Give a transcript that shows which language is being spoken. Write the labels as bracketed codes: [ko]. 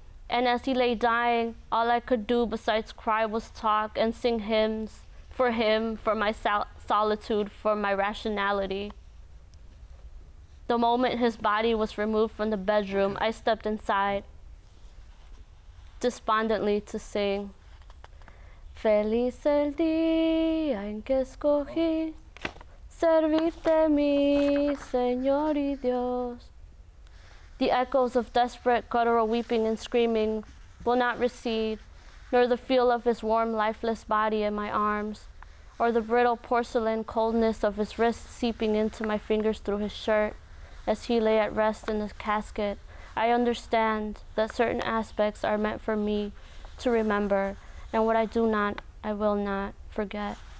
[en] And as he lay dying, all I could do besides cry was talk and sing hymns for him, for my solitude, for my rationality. The moment his body was removed from the bedroom, I stepped inside, despondently to sing. [es] Feliz el día en que escogí servirte mi Señor y Dios. [en] The echoes of desperate, guttural weeping and screaming will not recede, nor the feel of his warm, lifeless body in my arms, or the brittle porcelain coldness of his wrists seeping into my fingers through his shirt. As he lay at rest in the casket, I understand that certain aspects are meant for me to remember, and what I do not, I will not forget.